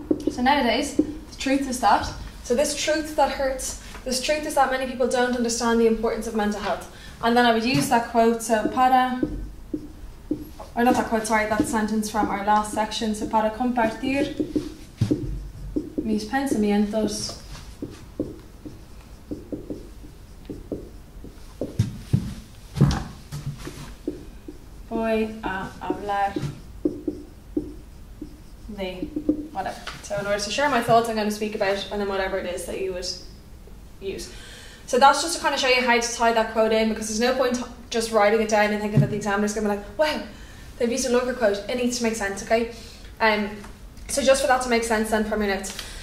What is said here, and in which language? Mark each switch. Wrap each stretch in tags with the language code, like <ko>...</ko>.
<en>So nowadays, the truth is that, so this truth that hurts, this truth is that many people don't understand the importance of mental health. And then I would use that quote, so para, or not that quote, sorry, that sentence from our last section.</en> <es>So para compartir mis pensamientos voy a hablar de</es> <en>whatever. So in order to share my thoughts, I'm going to speak about and then whatever it is that you would use. So that's just to kind of show you how to tie that quote in, because there's no point just writing it down and thinking that the examiner's going to be like, wow, they've used a longer quote. It needs to make sense, okay? So just for that to make sense then from your notes.</en>